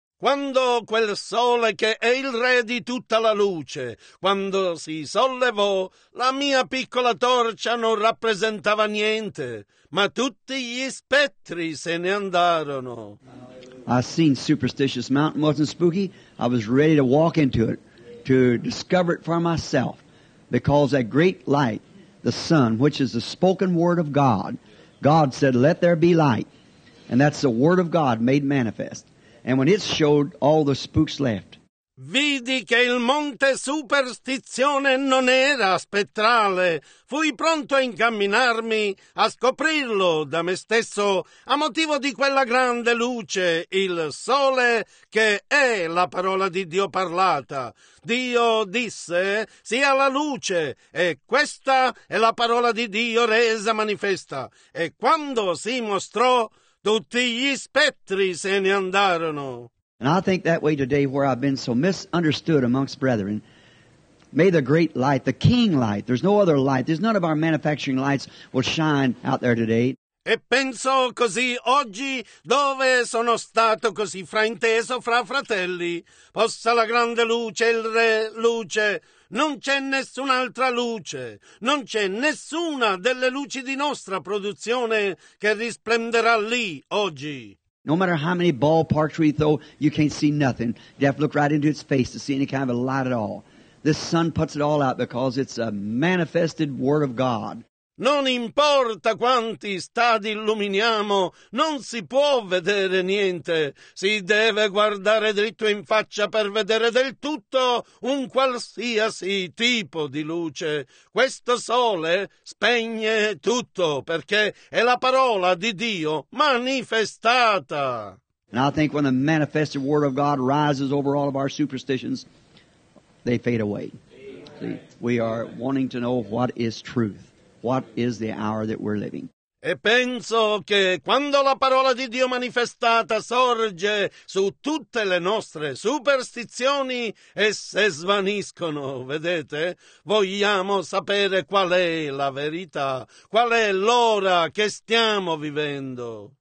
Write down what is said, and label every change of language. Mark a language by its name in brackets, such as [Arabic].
[Italian] Quando quel sole che è il re di tutta la luce, quando si sollevò, la mia piccola torcia non rappresentava niente, ma tutti gli spettri se ne andarono. [English] I seen Superstitious Mountain wasn't spooky. I was ready to walk into it, to discover it for myself, because that great light, the sun, which is the spoken word of God, God said, let there be light, and that's the word of God made manifest. And when it showed, all the spooks left. [Italian] Vidi che il Monte Superstizione non era spettrale. Fui pronto a incamminarmi, a scoprirlo da me stesso, a motivo di quella grande luce, il sole, che è la parola di Dio parlata. Dio disse, sia la luce, e questa è la parola di Dio resa manifesta. E quando si mostrò, tutti gli spettri se ne andarono. [English] And I think that way today, where I've been so misunderstood amongst brethren, may the great light, the king light, there's no other light, there's none of our manufacturing lights will shine out there today. [Italian] E penso così oggi, dove sono stato così frainteso fra fratelli, possa la grande luce, il re luce, non c'è nessun'altra luce, non c'è nessuna delle luci di nostra produzione che risplenderà lì oggi. [English] No matter how many ballparks we throw, you can't see nothing. You have to look right into its face to see any kind of a light at all. This sun puts it all out because it's a manifested word of God. [Italian] Non importa quanti stadi illuminiamo, non si può vedere niente. Si deve guardare dritto in faccia per vedere del tutto un qualsiasi tipo di luce. Questo sole spegne tutto perché è la parola di Dio manifestata. [English] And I think when the manifested word of God rises over all of our superstitions, they fade away. See, we are wanting to know what is truth. What is the hour that we're living? [Italian] E penso che quando la parola di Dio manifestata sorge su tutte le nostre superstizioni e se svaniscono, vedete, vogliamo sapere qual è la verità, qual è l'ora che stiamo vivendo.